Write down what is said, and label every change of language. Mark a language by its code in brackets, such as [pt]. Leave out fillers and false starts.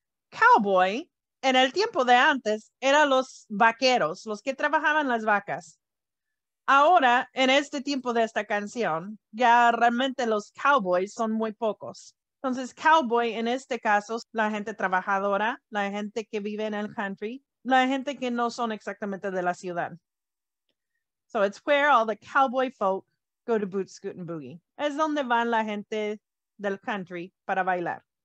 [es] Cowboy, en el tiempo de antes, eran los vaqueros, los que trabajaban las vacas. Ahora, en este tiempo de esta canción, ya realmente los cowboys son muy pocos. Entonces, cowboy, en este caso, la gente trabajadora, la gente que vive en el country, la gente que no son exactamente de la ciudad. [en] So, it's where all the cowboy folk go to Boot Scootin Boogie. [es] Es donde van la gente del country para bailar.